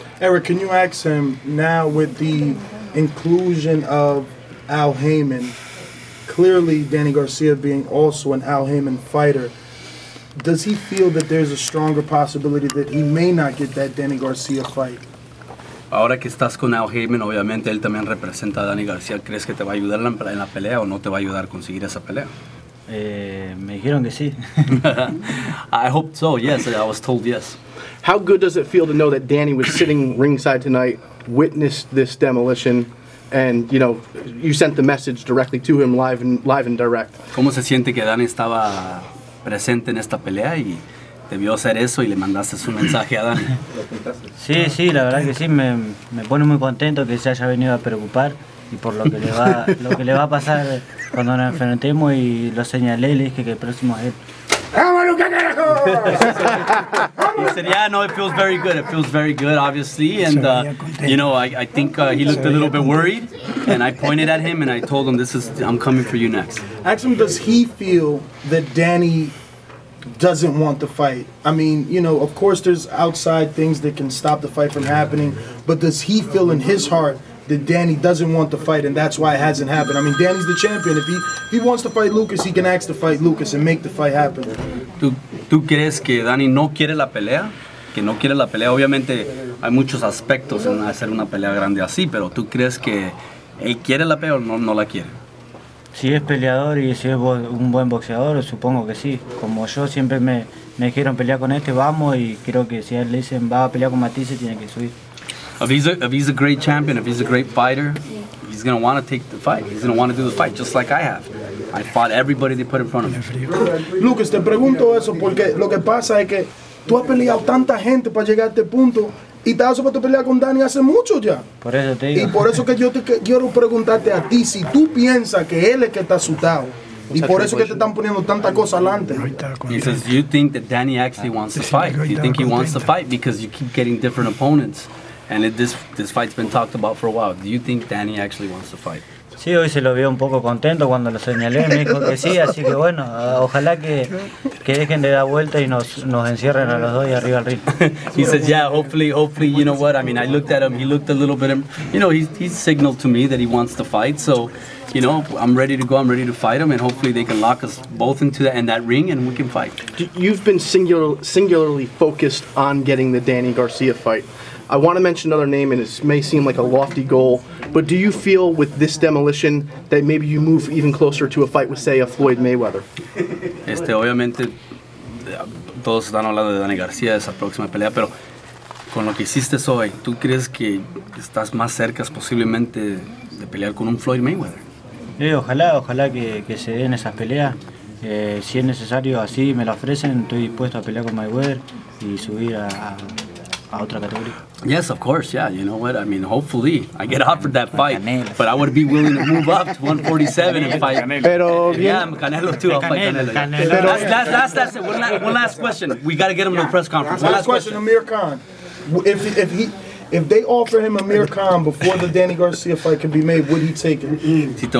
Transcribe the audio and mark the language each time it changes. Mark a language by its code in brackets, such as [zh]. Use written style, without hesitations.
[en] Eric, can you ask him now with the inclusion of Al Haymon. Clearly, Danny Garcia being also an Al Haymon fighter, does he feel that there's a stronger possibility that he may not get that Danny Garcia fight? [es] Ahora que estás con Al Haymon, obviamente él también representa a Danny Garcia. ¿Crees que te va a ayudar en la pelea o no te va a ayudar a conseguir esa pelea? Me dijeron que sí. [en] I hope so. Yes, I was told yes. How good does it feel to know that Danny was sitting ringside tonight, witnessed this demolition, and you know, you sent the message directly to him live and direct? [es] ¿Cómo se siente que Danny estaba presente en esta pelea y te vio hacer eso y le mandaste su mensaje a Danny? Sí, sí, la verdad que sí, me pone muy contento que se haya venido a preocupar y por lo que le va a pasar cuando nos enfrentemos, y lo señalé y le dije que el próximo es él. [en] He said, yeah, no, it feels very good, obviously, and, you know, I think he looked a little bit worried, and I pointed at him, and I told him, I'm coming for you next. Ask him, does he feel that Danny doesn't want the fight? I mean, you know, of course there's outside things that can stop the fight from happening, but does he feel in his heart that Danny doesn't want the fight, and that's why it hasn't happened? I mean, Danny's the champion. If he wants to fight Lucas, he can ask to fight Lucas and make the fight happen. [es] ¿Tú crees que Danny no quiere la pelea? Que no quiere la pelea. Obviamente, hay muchos aspectos en hacer una pelea grande así, pero ¿tú crees que él quiere la pelea o no la quiere? Si es peleador y si es un buen boxeador, supongo que sí. Como yo siempre me dijeron pelear con este, vamos, y creo que si a él le dicen va a pelear con Matisse, tiene que subir. [en] If he's a great champion, if he's a great fighter, he's going to want to take the fight. He's going to want to do the fight, just like I have. I fought everybody they put in front of me. [es] Lucas, te pregunto eso porque lo que pasa es que tú has peleado tanta gente para llegar a este punto y te has supuesto pelear con Danny hace mucho ya. Por eso te digo. Y por eso que yo te quiero preguntarte a ti si tú piensas que él es que está asustado. Y por eso que te están poniendo tanta cosa adelante. [en] He says, do you think that Danny actually wants to fight? Do you think he wants to fight because you keep getting different opponents? And this fight's been talked about for a while. Do you think Danny actually wants to fight? [es] Sí, hoy se lo vio un poco contento cuando lo señalé. Me dijo que sí, así que bueno, ojalá que dejen de dar vuelta y nos encierren a los dos y arriba al ring. [en] He says, yeah, hopefully, you know what? I mean, I looked at him. He looked a little bit. You know, he signaled to me that he wants to fight. So, you know, I'm ready to go. I'm ready to fight him, and hopefully they can lock us both into that ring, and we can fight. You've been singularly focused on getting the Danny Garcia fight. I want to mention another name, and it may seem like a lofty goal, but do you feel with this demolition that maybe you move even closer to a fight with, say, a Floyd Mayweather? [es] Obviamente, todos están hablando de Danny Garcia, esa próxima pelea, pero con lo que hiciste hoy, ¿tú crees que estás más cerca posiblemente de pelear con un Floyd Mayweather? Ojalá que se den esas peleas. Si es necesario, así me lo ofrecen, estoy dispuesto a pelear con Mayweather y subir a otra categoría. [en] Yes, of course, yeah, you know what, I mean, hopefully I get offered that fight, but I would be willing to move up to 147 and fight. [es] Pero [en] bien. Yeah, I'm Canelo too, I'll fight Canelo. [es] Pero [en] one last question, we got to get him to the press conference. Amir Khan, if they offer him Amir Khan before the Danny Garcia fight can be made, would he take it?